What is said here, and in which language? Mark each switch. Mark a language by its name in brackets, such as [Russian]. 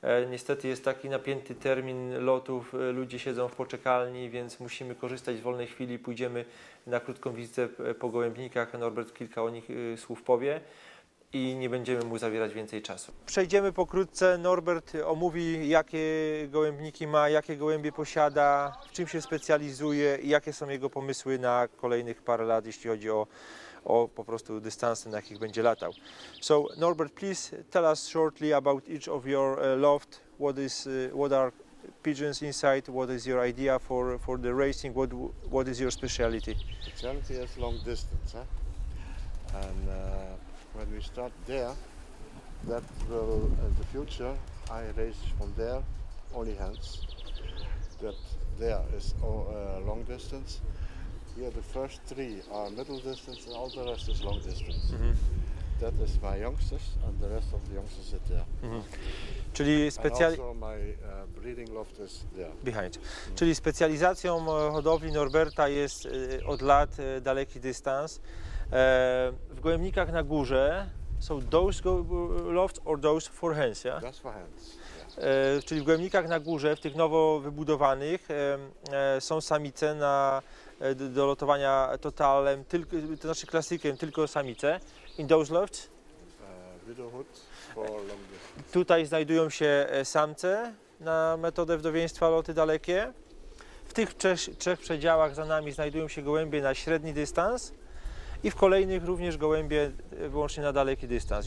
[Polish] Niestety jest taki napięty termin lotów, ludzie siedzą w poczekalni, więc musimy korzystać z wolnej chwili, pójdziemy na krótką wizytę po gołębnikach, Norbert kilka o nich słów powie i nie będziemy mu zawierać więcej czasu. Przejdziemy pokrótce, Norbert omówi, jakie gołębniki ma, jakie gołębie posiada, w czym się specjalizuje i jakie są jego pomysły na kolejnych parę lat, jeśli chodzi o po prostu dystanse, na jakich będzie latał. [English] So Norbert, please tell us shortly about each of your loft. What are pigeons inside? What is your idea for the racing? What is your speciality? Speciality is long distance, huh? And when we start there, that will in the future I race from there only hands. That there is long distance. Yeah, the first three are middle distance and all the rest is long distance. Mm-hmm. That is my youngsters and the rest of the youngsters sit there. Mm-hmm. [Polish] Czyli [English] And also my breeding loft is there. Behind. Mm-hmm. [Polish] Czyli specjalizacją hodowli Norberta jest od lat daleki dystans. W gołębnikach na górze są [English] those lofts or those for hens, yeah? That's for hens. [Polish] Czyli w gołębnikach na górze, w tych nowo wybudowanych, są samice do lotowania totalem, to znaczy klasykiem, tylko samice. [English] In those lofts? Widowhood for long distance. [Polish] Tutaj znajdują się samce na metodę wdowieństwa, loty dalekie. W tych trzech przedziałach za nami znajdują się gołębie na średni dystans i w kolejnych również gołębie wyłącznie na daleki dystans.